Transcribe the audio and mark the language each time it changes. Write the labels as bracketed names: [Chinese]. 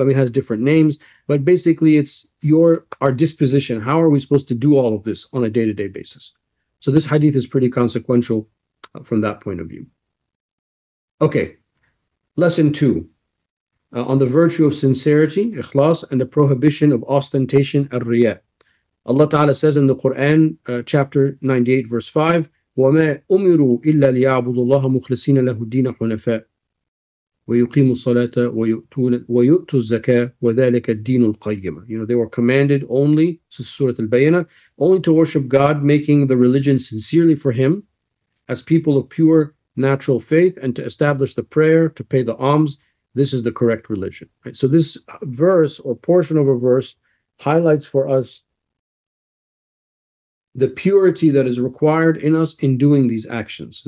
[English] I mean, it has different names, but basically it's our disposition. How are we supposed to do all of this on a day-to-day basis? So this hadith is pretty consequential from that point of view. Okay, lesson two, on the virtue of sincerity, ikhlas, and the prohibition of ostentation, al-riya. Allah Ta'ala says in the Quran, chapter 98, verse 5, [Arabic] وَمَا أُمِرُوا إِلَّا لِيَعْبُدُ اللَّهَ مُخْلِصِينَ لَهُ الدِّينَ حُنَفَاءَ وَيُقِيمُوا الصَّلَاةَ وَيُؤْتُوا الزَّكَاءَ وَذَلِكَ الدِّينُ الْقَيِّمَةَ. [English] You know, they were commanded only, this is Surah Al-Bayyinah, only to worship God, making the religion sincerely for him, as people of pure natural faith, and to establish the prayer, to pay the alms. This is the correct religion. Right? So this verse or portion of a verse highlights for us the purity that is required in us in doing these actions.